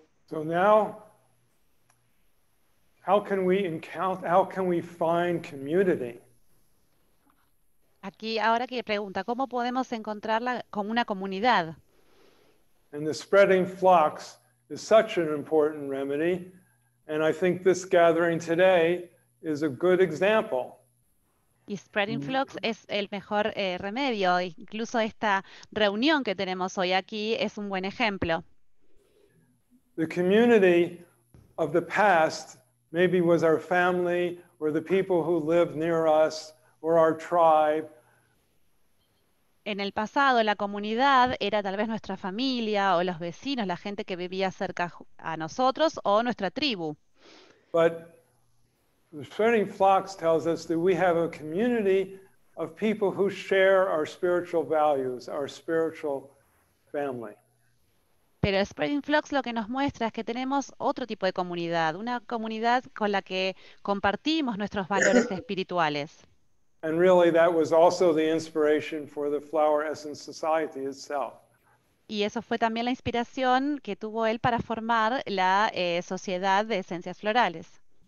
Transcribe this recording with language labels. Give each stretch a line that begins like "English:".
English: So now, how can we encounter, how can we find community?
Spanish: Aquí ahora que pregunta, ¿cómo podemos encontrarla como una comunidad?
English: And the spreading flux is such an important remedy, and I think this gathering today is a good example.
Spanish: Y spreading flux es el mejor remedio, incluso esta reunión que tenemos hoy aquí es un buen ejemplo.
English: The community of the past maybe was our family or the people who lived near us or our tribe.
Spanish: En el pasado, la comunidad era tal vez nuestra familia o los vecinos, la gente que vivía cerca a nosotros o nuestra tribu.
English: But the spreading flux tells us that we have a community of people who share our spiritual values, our spiritual family.
Spanish: Pero Spreading Flux lo que nos muestra es que tenemos otro tipo de comunidad, una comunidad con la que compartimos nuestros valores espirituales.
English: And really that was also the inspiration for the Flower Essence Society itself.
Spanish: Y eso fue también la inspiración que tuvo él para formar la Sociedad de Esencias Florales.